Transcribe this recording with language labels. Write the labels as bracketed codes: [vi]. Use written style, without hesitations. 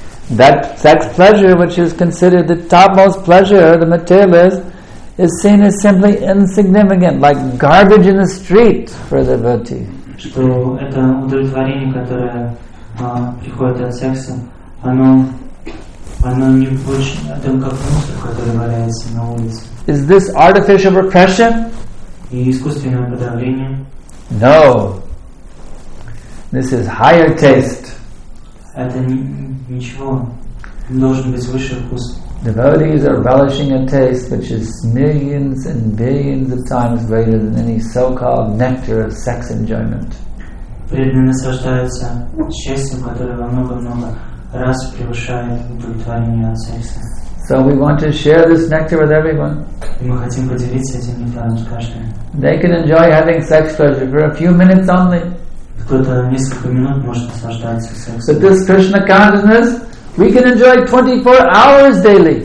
[en] That sex pleasure, which is considered the topmost pleasure, the materialist, is seen as simply insignificant, like garbage in the street for the devotee. [ru] Что это удовлетворение, которое приходит от секса, оно не больше, это как мусор, который валяется на улице. [en] Is this artificial repression? [ru] И искусственное подавление. [en] No. This is higher taste. [ru] Это ничего. Должен быть высший вкус. [en] Devotees are relishing a taste which is millions and billions of times greater than any so-called nectar of sex enjoyment. [ru] Преданные наслаждаются счастьем, которое во много-много раз превышает удовлетворение от секса. [en] So we want to share this nectar with everyone. They can enjoy having sex pleasure for a few minutes only. But this Krishna consciousness, we can enjoy 24 hours daily.